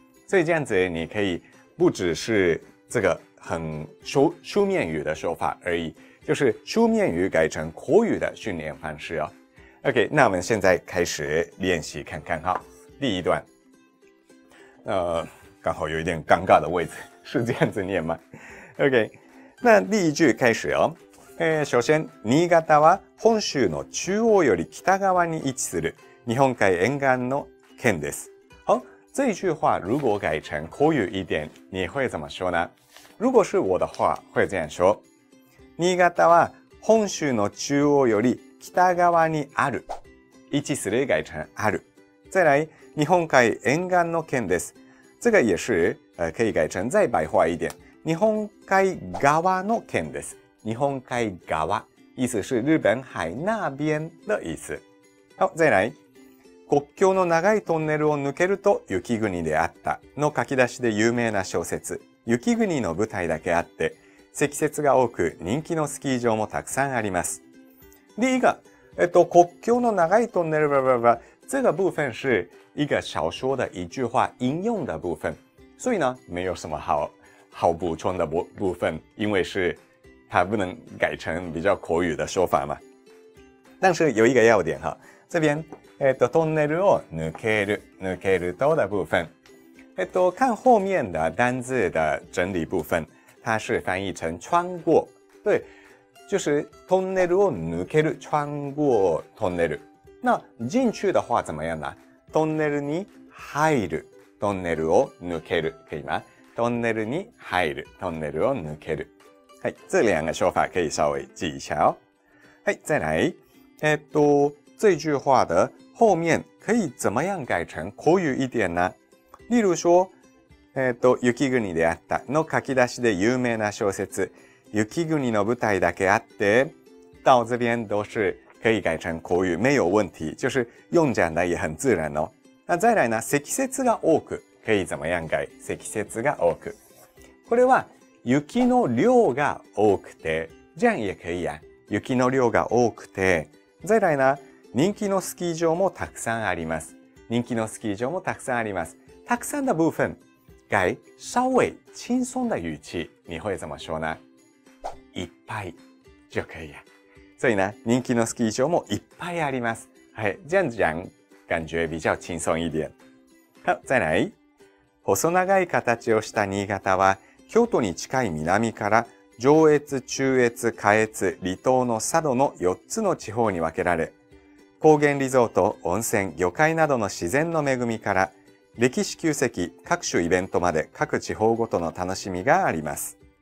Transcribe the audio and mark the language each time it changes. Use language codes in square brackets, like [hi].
[zh] 所以这样子你可以不只是这个很 书面语的说法而已，就是书面语改成口语的训练方式哦。 OK， 那我们现在开始练习看看哈。第一段，刚好有一点尴尬的位置，是这样子念吗 ？OK， 那第一句开始哦。首先， [ja] 新潟は本州の中央より北側に位置する日本海沿岸の県です。 [zh] 好，这一句话如果改成口语一点，你会怎么说呢？如果是我的话，会这样说。 [ja] 新潟は本州の中央より北側にある。位置する [zh] 改成 [ja] ある。 [zh] 再来， [ja] 日本海沿岸の県です。 [zh] 这个也是，可以改成再白话一点。 [ja] 日本海側の県です。 [zh] 日本海側，意思是日本海那边的意思。好，再来。 [ja] 国境の長いトンネルを抜けると雪国であったの書き出しで有名な小説。雪国の舞台だけあって、積雪が多く人気のスキー場もたくさんあります。 [zh] 第一个， [ja] 国境の長いトンネル， [zh] 这个部分是一个小说的一句话引用的部分，所以呢，没有什么好补充的部分，因为是它不能改成比较口语的说法嘛。但是有一个要点哈，这边 [ja] トンネルを抜ける抜けると [zh] 的部分，看后面的单字的整理部分，它是翻译成穿过，对，就是 [ja] トンネルを抜ける [zh] 穿过トンネル。那进去的话怎么样呢？ [ja] トンネルに入る、トンネルを抜ける、可以吗？トンネルに入る、トンネルを抜ける。 [zh] はい、这两个说法可以稍微记一下哦。はい、再来。这句话的后面可以怎么样改成口语一点呢？例如说， [ja] 雪国であったの書き出しで有名な小説、雪国の舞台だけあって、 [zh] 到这边都是。可以改成口语没有问题，就是用讲的也很自然哦。那再来呢， [ja] 積雪が多く [zh] 可以怎么样改？ [ja] 積雪が多く，これは雪の量が多くて， [zh] 这样也可以啊。 [ja] 雪の量が多くて，再来呢，人気のスキー場もたくさんあります。人気のスキー場もたくさんあります。 [zh] たくさんの部分改稍微轻松的语气，你会怎么说呢？ [ja] いっぱい [zh] 就可以啊。所以呢， [ja] 人気のスキー場もいっぱいあります。 [zh] はい、这样讲感觉比较轻松一点。好，再来。 [ja] 細長い形をした新潟は、京都に近い南から上越、中越、下越、離島の佐渡の4つの地方に分けられ、高原リゾート、温泉、魚介などの自然の恵みから、歴史旧跡、各種イベントまで各地方ごとの楽しみがあります。